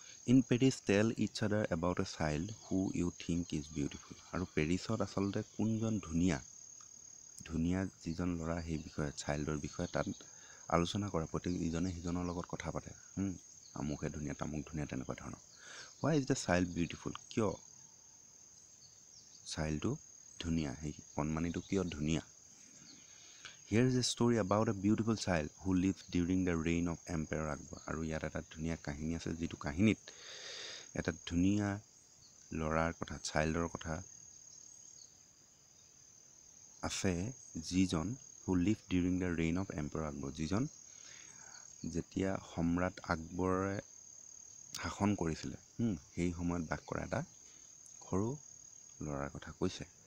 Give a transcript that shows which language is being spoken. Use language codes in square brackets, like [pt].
[en] In Paris tale is other about a child who you think is beautiful. [as] আৰু পেৰিছত আচলতে কোনজন ধুনীয়া ধুনীয়া যিজন ল'ৰা সেই বিষয়ে, চাইল্ডৰ বিষয়ে তাত আলোচনা কৰে, প্ৰত্যেক ইজনে সিজনৰ লগত কথা পাতে, আমুকহে ধুনীয়া, তামুক ধুনীয়া, তেনেকুৱা ধৰণৰ। [en] why is the child beautiful, [as] কিয় চাইল্ডটো ধুনীয়া, সেই কণমানিটো কিয় ধুনীয়া? [en] Here is a story about a beautiful child who live during the reign of empire Akbar. [as] আৰু ইয়াত এটা ধুনীয়া কাহিনী আছে, যিটো কাহিনীত এটা ধুনীয়া ল'ৰাৰ কথা, চাইল্ডৰ কথা আছে, যিজন [en] who live during the reign of empire Akbar, [as] যিজন যেতিয়া সম্ৰাট আকবৰে শাসন কৰিছিলে সেই সময়ত বাস কৰা এটা সৰু ল'ৰাৰ কথা কৈছে।